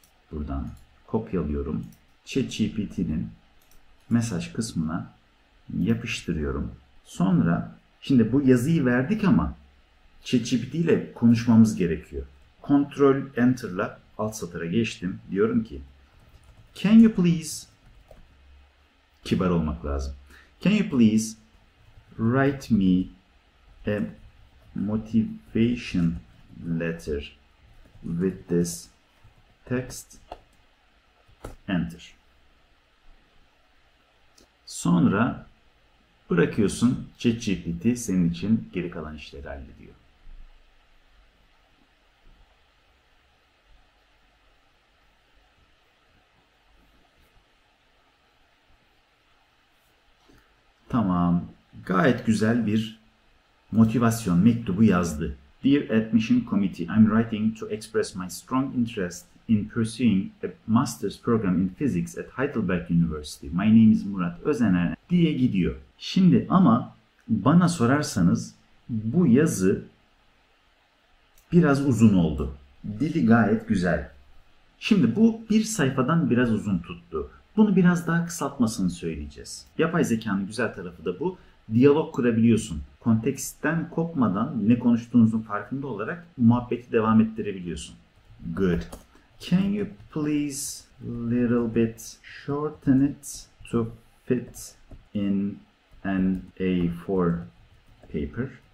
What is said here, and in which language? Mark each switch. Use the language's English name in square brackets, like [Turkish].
[Turkish] Buradan kopyalıyorum. ChatGPT'nin mesaj kısmına yapıştırıyorum. Sonra şimdi bu yazıyı verdik ama ChatGPT ile konuşmamız gerekiyor. Control Enter'la alt satıra geçtim. Diyorum ki, [English] Can you please, [Turkish] kibar olmak lazım. [English] Can you please write me a motivation letter with this text? Enter. [Turkish] Sonra bırakıyorsun, ChatGPT senin için geri kalan işleri hallediyor. Tamam. Gayet güzel bir motivasyon mektubu yazdı. [English] Dear Admission Committee, I'm writing to express my strong interest in pursuing a master's program in physics at Heidelberg University. My name is Murat Özener [Turkish] diye gidiyor. Şimdi ama bana sorarsanız bu yazı biraz uzun oldu. Dili gayet güzel. Şimdi bu bir sayfadan biraz uzun tuttu. Bunu biraz daha kısaltmasını söyleyeceğiz. Yapay zekanın güzel tarafı da bu. Diyalog kurabiliyorsun. Konteksten kopmadan ne konuştuğunuzun farkında olarak muhabbeti devam ettirebiliyorsun. [English] Good. Can you please little bit shorten it to fit in an A4 paper?